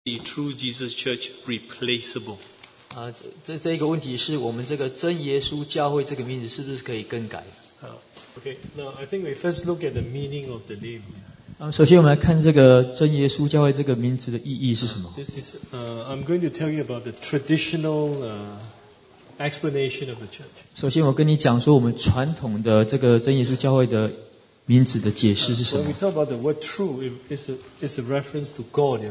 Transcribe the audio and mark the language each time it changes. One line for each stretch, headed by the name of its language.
English: The true Jesus Church replaceable?
Chinese: 这个问题是我们这个真耶稣教会这个名字是不是可以更改？
English: Okay, now I think we first look at the meaning of the name.
Chinese: 首先我们来看这个真耶稣教会这个名字的意义是什么？
English: This is, I'm going to tell you about the traditional explanation of the church.
Chinese: 首先我跟你讲说我们传统的这个真耶稣教会的名字的解释是什么？
English: When we talk about the word true, it's a reference to God.